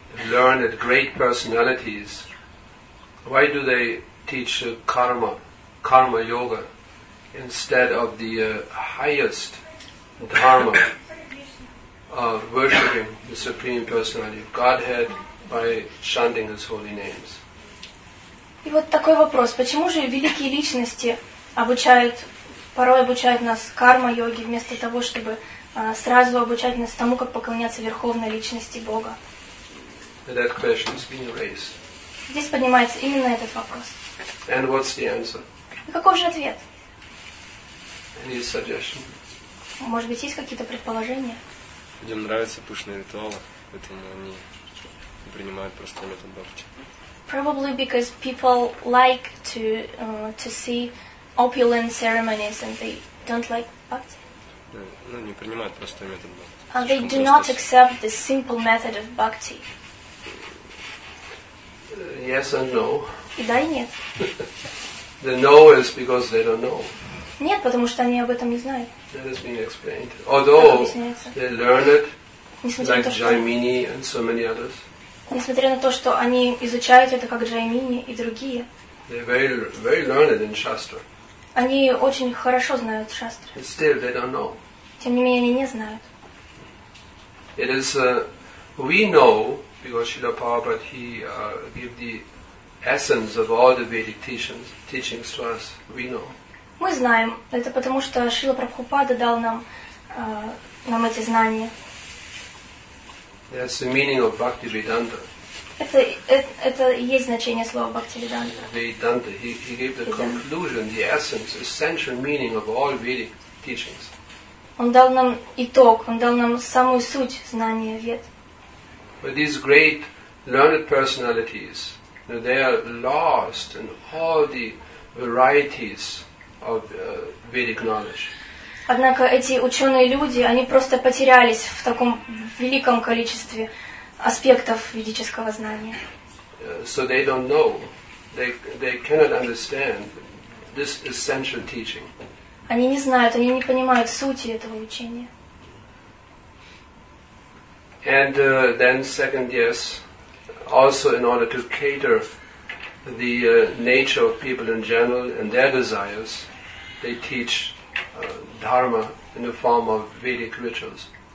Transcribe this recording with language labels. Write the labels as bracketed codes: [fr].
[en] Learned at great personalities, why do they teach karma yoga, instead of the highest dharma of worshipping the Supreme Personality of Godhead by chanting His holy names? [ru] И вот такой вопрос: почему же великие личности порой обучают нас карма йоги вместо того, чтобы сразу обучать нас тому, как поклоняться верховной личности Бога? [en] That question is being raised. [ru] Здесь поднимается именно этот вопрос. [en] And what's the answer? [ru] И каков же ответ? [en] Any suggestion? [ru] Может быть, есть какие-то предположения? Людям нравятся пышные ритуалы, поэтому они принимают простой метод бхакти. [en] Probably because people like to see opulent ceremonies and they don't like bhakti. [ru] Ну, не принимают простой метод бхакти. [en] And they do not accept the simple method of bhakti. Yes and no. [ru] И да, и нет. [en] The no is because they don't know. [ru] Нет, потому что они об этом не знают. [en] That has been explained. Although they learn it, like Jaimini and so many others. [ru] Несмотря на то, что они изучают это как Джаймини и другие. [en] They're very, very learned in Shastra. [ru] Они очень хорошо знают Шастры. [en] But still, they don't know. [ru] Тем не менее, они не знают. [en] It is we know. Because Srila Prabhupada, he gave the essence of all the Vedic teachings to us, we know. [ru] Мы знаем, это потому что Шрила Прабхупада дал нам эти знания. [en] That's the meaning of Bhaktivedanta. [ru] Это есть значение слова Bhaktivedanta. [en] Vedanta, he gave the conclusion, the essence, essential meaning of all Vedic teachings. [ru] Он дал нам итог, он дал нам самую суть знания Вед. [en] But these great learned personalities, you know, they are lost in all the varieties of Vedic knowledge. [ru] Однако эти ученые люди, они просто потерялись в таком великом количестве аспектов ведического знания. [en] So they don't know, they cannot understand this essential teaching. [ru] Они не знают, они не понимают сути этого учения. [en] And then second, yes, also in order to cater the nature of people in general and their desires, they teach dharma in the form of Vedic rituals.